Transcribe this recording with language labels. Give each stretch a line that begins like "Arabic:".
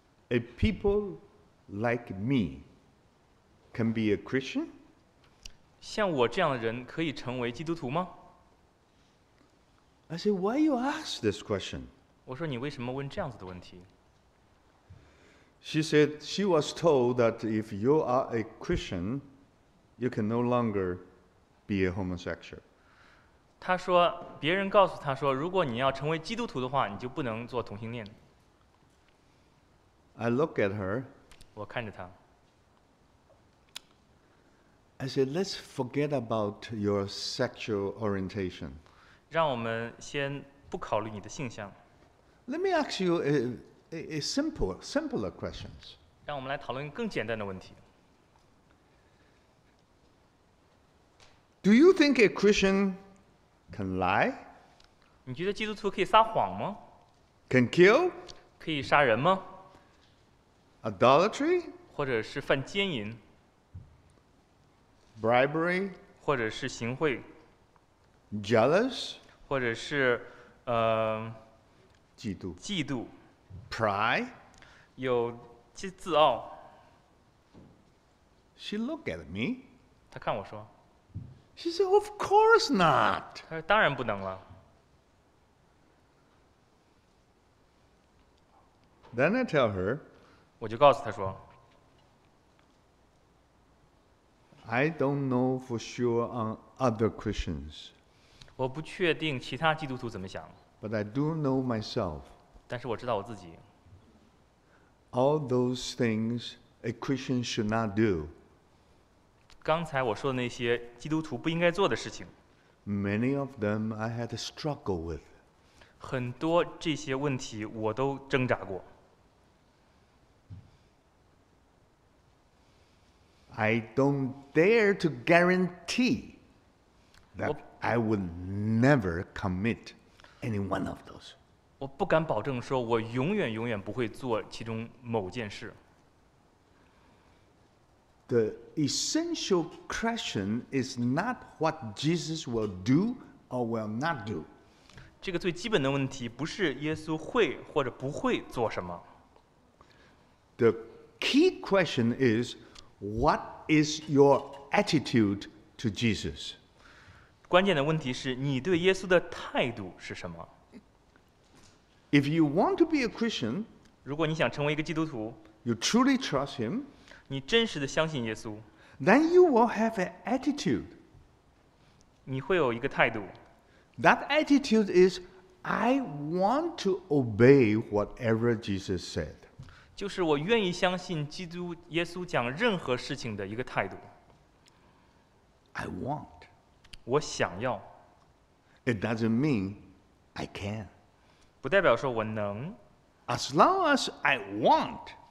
English: A people like me. Can be a Christian?
Chinese: 像我这样的人可以成为基督徒吗？
English: I said, why you ask this question?
Chinese: 我说你为什么问这样子的问题？
English: She said she was told that if you are a Christian, you can no longer be a homosexual.
Chinese: 她说别人告诉她说如果你要成为基督徒的话你就不能做同性恋。
English: I look at her.
Chinese: 我看着她。
English: I said, let's forget about your sexual orientation.
Chinese: 让我们先不考虑你的性向。
English: Let me ask you a simpler questions.
Chinese: 让我们来讨论更简单的问题。
English: Do you think a Christian can lie?
Chinese: 你觉得基督徒可以撒谎吗？
English: Can kill?
Chinese: 可以杀人吗？
English: Adultery?
Chinese: 或者是犯奸淫？
English: Bribery,
Chinese: 或者是行贿
English: Jealous,
Chinese: 或者是嫉妒 Pride, 有自傲
English: She look at me.
Chinese: 她看我说
English: She said, of course not.
Chinese: 她说当然不能了
English: Then I tell her,
Chinese: 我就告诉她说
English: I don't know for sure on other Christians.
Chinese: 我不确定其他基督徒怎么想。
English: But I do know myself.
Chinese: 但是我知道我自己。
English: All those things a Christian should not do.
Chinese: 刚才我说的那些基督徒不应该做的事情。
English: Many of them I had to struggle with.
Chinese: 很多这些问题我都挣扎过。
English: I don't dare to guarantee that I would never commit any one of those.
Chinese: 我不敢保证说我永远永远不会做其中某件事。
English: The essential question is not what Jesus will do or will not do.
Chinese: 这个最基本的问题不是耶稣会或者不会做什么。
English: The key question is, What is your attitude to Jesus?
Chinese: 关键的问题是你对耶稣的态度是什么？
English: If you want to be a Christian,
Chinese: 如果你想成为一个基督徒，
English: you truly trust him,
Chinese: 你真实的相信耶稣，
English: then you will have an attitude.
Chinese: 你会有一个态度。
English: That attitude is, I want to obey whatever Jesus said.
Chinese: 就是我愿意相信基督耶稣讲任何事情的一个态度。
English: I want.
Chinese: 我想要。
English: It doesn't mean I can.
Chinese: 不代表说我能。
English: As long as I want.